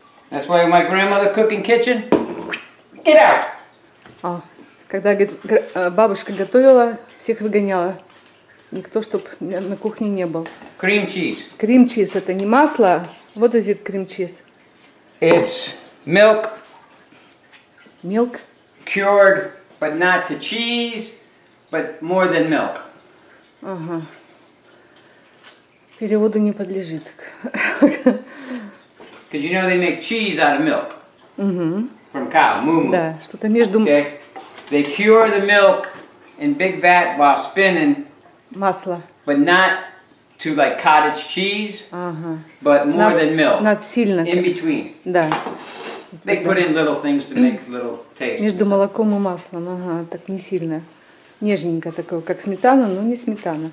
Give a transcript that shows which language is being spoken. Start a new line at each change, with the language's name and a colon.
English: That's why my grandmother cooking kitchen. Get out.
Russian: А, когда бабушка готовила, всех выгоняла. Никто, чтобы на кухне не был.
English: Cream cheese.
Russian: Cream cheese это не масло.
English: What is it, cream cheese? It's milk. Milk. Cured, but not to cheese, but more than milk.
Russian: Ага. Переводу не подлежит.
English: Because you know they make cheese out of milk.
Russian: Угу.
English: From cow, moo moo.
Russian: Да, что-то между.
English: Okay. They cure the milk in big vat while spinning.
Russian: Масло.
English: But not to like cottage cheese.
Russian: Ага.
English: But more not, than milk. Not
Russian: сильно.
English: In between.
Russian: Да.
English: They put in little things to make little taste.
Russian: Между молоком и маслом, ага, так не сильно. Нежненько такое, как сметана, но не сметана.